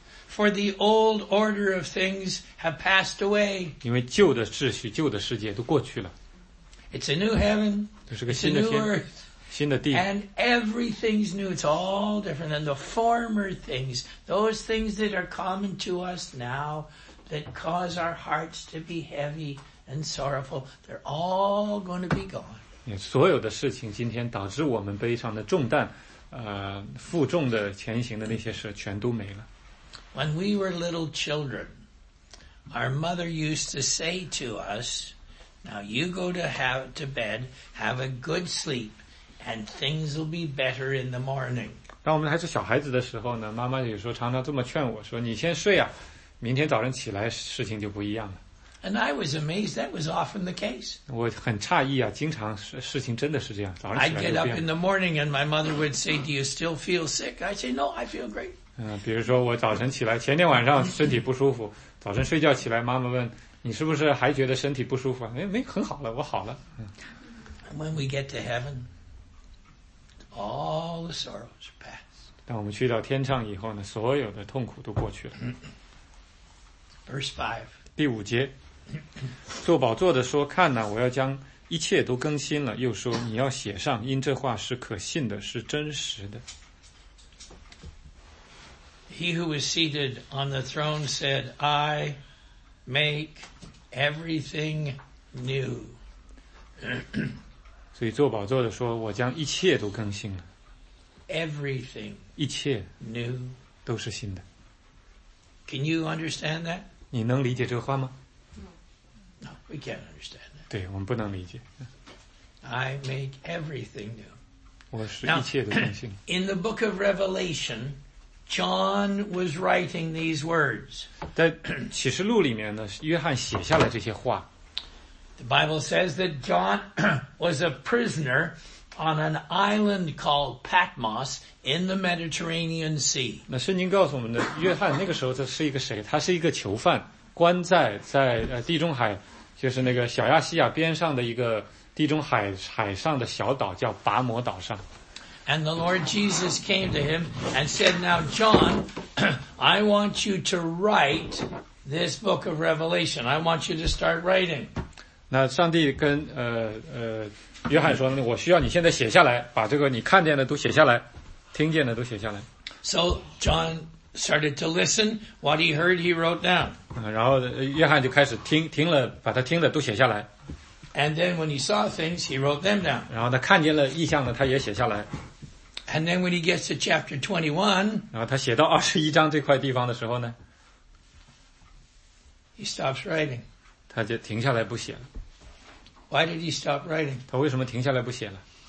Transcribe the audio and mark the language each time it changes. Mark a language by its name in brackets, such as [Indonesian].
[English] For the old order of things have passed away. [Chinese] 因为旧的秩序、旧的世界都过去了。 [English] It's a new heaven. [Chinese] 这是个新的天。新的地。 [English] And everything's new. It's all different. And the former things, those things that are common to us now, that cause our hearts to be heavy and sorrowful, they're all going to be gone. [Chinese] 所有的事情今天导致我们悲伤的重担。负重的前行的那些事全都没了。 [English] When we were little children, our mother used to say to us, "Now you go to bed, have a good sleep, and things will be better in the morning." [Chinese] 当我们还是小孩子的时候呢，妈妈有时候常常这么劝我说：“你先睡啊，明天早上起来事情就不一样了。” [English] And I was amazed. That was often the case. [Chinese] 我很诧异啊，经常事情真的是这样，早上起来就变了。 [English] I'd get up in the morning, and my mother would say, "Do you still feel sick?" I'd say, "No, I feel great." [Chinese] 比如说我早晨起来，前天晚上身体不舒服，早晨睡觉起来，妈妈问你是不是还觉得身体不舒服？没，很好了，我好了。 [English] When we get to heaven, all the sorrows are past. [Chinese] 当我们去到天上以后呢，所有的痛苦都过去了。 [English] Verse 5. [Chinese] 第五节。做宝座的说看哪、啊、我要将一切都更新了又说你要写上因这话是可信的是真实的 [English] He who was seated on the throne said I make everything new [Chinese] 所以做宝座的说我将一切都更新了 [English] Everything [Chinese] 一切 [English] new [Chinese] 都是新的 [English] Can you understand that? [Chinese] 你能理解这个话吗？ [English] No, we can't understand that. [Chinese] 对，我们不能理解。 [English] I make everything new. [Chinese] 我是一切的更新。 [English] In the book of Revelation, John was writing these words. [Chinese] 在启示录里面呢，约翰写下了这些话。 [English] The Bible says that John was a prisoner on an island called Patmos in the Mediterranean Sea. [Chinese] 那圣经告诉我们的，约翰那个时候他是一个谁？他是一个囚犯，关在地中海，就是那个小亚细亚边上的一个地中海海上的小岛，叫拔摩岛上。 [English] And the Lord Jesus came to him and said, "Now, John, I want you to write this book of Revelation. I want you to start writing." [Chinese] 那上帝跟约翰说，我需要你现在写下来，把这个你看见的都写下来，听见的都写下来。 [English] So John started to listen. What he heard, he wrote down. [Chinese] 然后约翰就开始听了，把他听的都写下来。 [English] And then when he saw things, he wrote them down. [Chinese] 然后他看见了异象呢，他也写下来。 [English] And then when he gets to chapter 21, [Chinese] 然后他写到21章这块地方的时候呢， [English] he stops writing. [Chinese] 他就停下来不写了。 [English] Why did he stop writing? [Chinese] 他为什么停下来不写了？